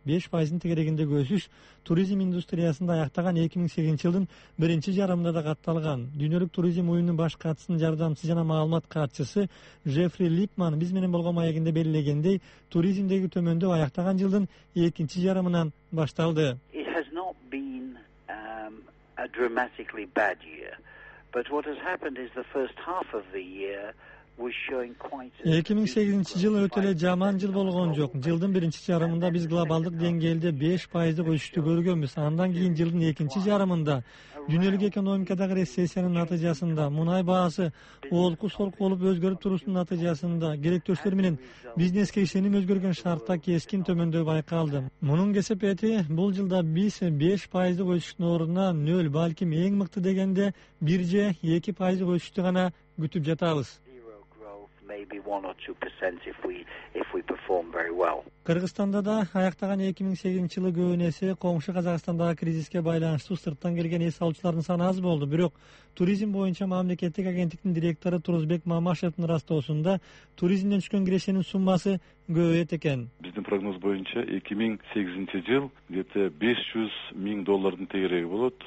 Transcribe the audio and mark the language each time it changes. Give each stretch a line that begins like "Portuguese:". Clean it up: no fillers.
Kyrgyz: 5% тегерегиндеги өсүш туризм индустриясында аяктаган 2008 жылдын биринчи жарымында да катталган. Дүйнөлүк туризм уюмунун баш катчысынын жардамчысы жана маалымат катчысы Жефри Липман биз менен болгон маегинде белгилегендей, туризмдеги төмөндөө аяктаган жылдын экинчи жарымынан башталды.
English: It has not been a dramatically bad year, but what has happened is the first half of the year
Kyrgyz: 2008 жыл өтө эле жаман жыл болгон жок. Жылдын биринчи жарымында биз глобалдык деңгээлде 5% өсүштү көргөнбүз. Андан кийин жылдын экинчи жарымында дүйнөлүк экономикадагы рецессиянын натыйжасында, мунай баасы олку солку болуп өзгөрүп турушунун натыйжасында, керектөштөр менен бизнеске ишеним өзгөргөн шартта кескин төмөндөө байкалды. Мунун кесепети бул жылда биз 5% өсүштүн ордуна 0, балким эң мыкты дегенде 1-2% өсүштү гана күтүп жатабыз.
English: Maybe 1-2% if we perform very well.
Kyrgyz: Кыргызстанда да аяктаган 2008 жылы көөнөсү коңшу Казакстандагы кризиске байланыштуу сырттан келген эс алуучулардын саны аз болду. Бирок туризм боюнча мамлекеттик агенттиктин директору Турузбек Мамашевдин ырастоосунда туризмден түшкөн кирешенин суммасы көбөйөт экен. Биздин прогноз боюнча 2008 жыл
Russian: где-то
Kyrgyz: 500 миң доллардын тегереги болот.